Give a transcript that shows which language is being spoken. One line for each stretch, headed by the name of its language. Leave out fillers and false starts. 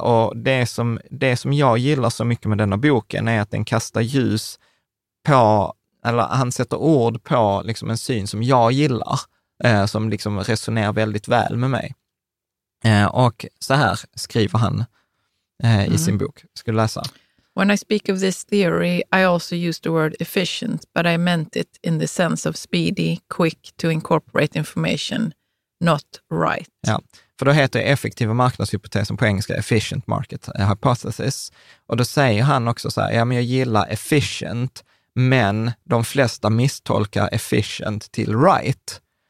Swedish: Och det som jag gillar så mycket med denna boken är att den kastar ljus på, eller han sätter ord på liksom en syn som jag gillar, som liksom resonerar väldigt väl med mig. Och så här skriver han i sin bok. Ska du läsa?
English: When I speak of this theory, I also use the word efficient, but I meant it in the sense of speedy, quick to incorporate information, not right.
Swedish: Ja. För då heter effektiva marknadshypotesen på engelska efficient market hypothesis. Och då säger han också så här, ja, men jag gillar efficient, men de flesta misstolkar efficient till right.